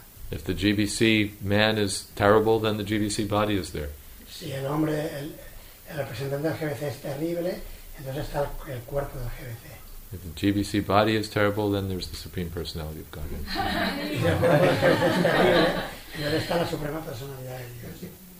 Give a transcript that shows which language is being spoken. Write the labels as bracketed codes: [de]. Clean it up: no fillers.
[en] If the GBC man is terrible, then the GBC body is there. [es] Si el hombre, el representante del GBC es terrible, entonces está el cuerpo del GBC. [en] If the GBC body is terrible, then there's the Supreme Personality of Godhead. [es] Si el cuerpo del GBC es terrible, entonces está la Suprema Personalidad de Dios.